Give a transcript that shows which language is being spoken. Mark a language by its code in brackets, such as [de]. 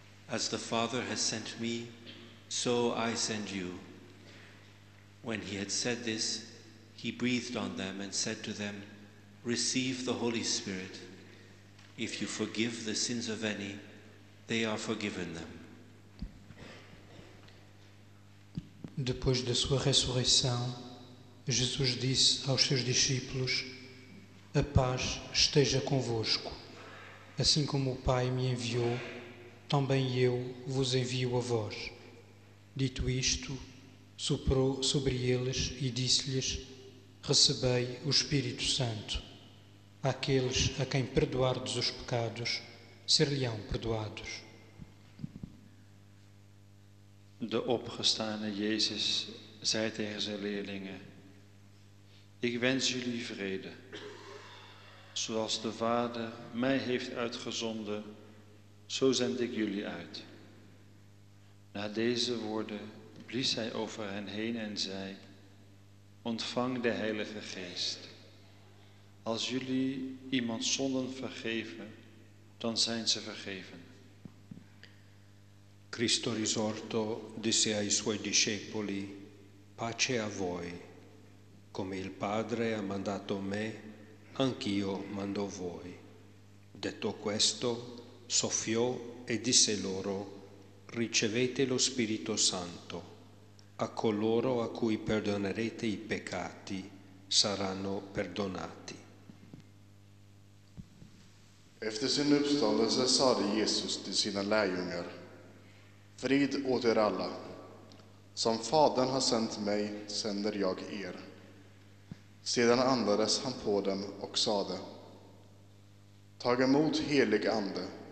[en] As the Father has sent me, so I send you. When he had said this, he breathed on them and said to them, Receive the Holy Spirit. If you forgive the sins of any, they are forgiven them. [pt] Depois da sua ressurreição, Jesus disse aos seus discípulos, A paz esteja convosco. Assim como o Pai me enviou, também eu vos envio a vós. Dito isto, soprou sobre eles e disse-lhes, Recebei o Espírito Santo. Àqueles a quem perdoardes os pecados, ser-lhe-ão perdoados. [nl] De opgestane Jezus zei tegen zijn leerlingen, Ik wens jullie vrede. Zoals de Vader mij heeft uitgezonden, zo zend ik jullie uit. Na deze woorden blies hij over hen heen en zei, Ontvang de Heilige Geest. Als jullie iemand zonden vergeven, dan zijn ze vergeven. [it] Cristo risorto disse ai suoi discepoli, Pace a voi, come il Padre ha mandato me, Anch'io mando voi. Detto questo, soffiò e disse loro, Ricevete lo Spirito Santo. A coloro a cui perdonerete i peccati, saranno perdonati. [sv] Efter sin uppståndelse sade Jesus till sina lärjungar, Frid åt er alla. Som Fadern har sänt mig, sänder jag er. Sedan andades han på dem och sade, Tag emot helig ande.